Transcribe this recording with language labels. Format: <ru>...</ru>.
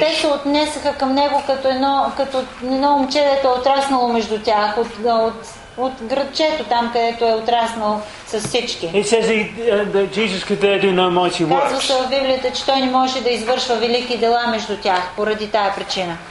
<bg>Те се отнесаха към него като едно момче, дето е отраснало между тях от градчето там, където е отраснал с всички.</bg> <en>It says that Jesus could there do no mighty works.</en> <bg>Казва се в Библията, че той не може да извършва велики дела между тях поради тая причина.</bg>